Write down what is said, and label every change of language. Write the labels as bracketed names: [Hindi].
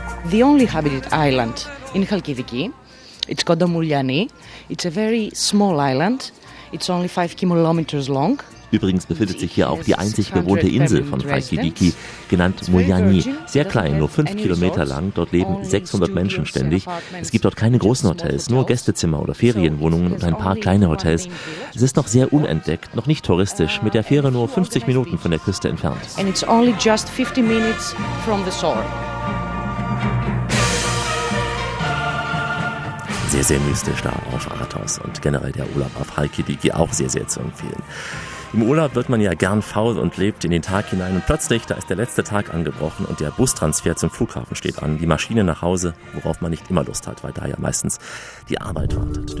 [English] The only inhabited island in Chalkidiki, it's called Domouliani. It's a very small island. It's only 5 kilometers long. [German] Übrigens befindet sich hier auch die einzig bewohnte Insel von Chalkidiki, genannt Mouliani. Sehr klein, nur 5 Kilometer lang, dort leben 600 Menschen ständig. Es gibt dort keine großen Hotels, nur Gästezimmer oder Ferienwohnungen und ein paar kleine Hotels. Es ist noch sehr unentdeckt, noch nicht touristisch, mit der Fähre nur 50 Minuten von der Küste entfernt. [English] And it's only just 50 minutes from the shore. [German] Sehr, sehr mystisch da auf Athos und generell der Urlaub auf Chalkidiki auch sehr, sehr zu empfehlen. Im Urlaub wird man ja gern faul und lebt in den Tag hinein und plötzlich, da ist der letzte Tag angebrochen und der Bustransfer zum Flughafen steht an, die Maschine nach Hause, worauf man nicht immer Lust hat, weil da ja meistens die Arbeit wartet.